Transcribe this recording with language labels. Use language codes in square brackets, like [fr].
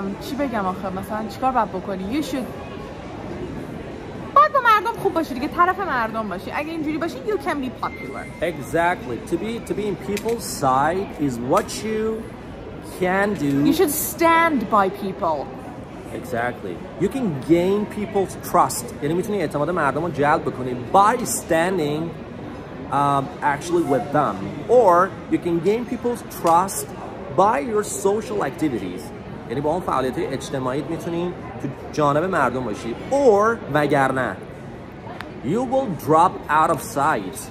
[en] You should [fa] باید با مردم خوب باشی دیگه, طرف مردم باشی. اگه اینجوری باشی, [en] you can be popular. Exactly. To be in people's side is what you can do. You should stand by people. Exactly. You can gain people's trust. [fa] یعنی میتونی اعتماد مردم رو جلب بکنی [en] by standing actually with them. Or you can gain people's trust by your social activities. [fa] یعنی با اون فعالیت‌های اجتماعیت میتونی تو جانب مردم باشی. [en] Or وگرنه, you will drop out of sight.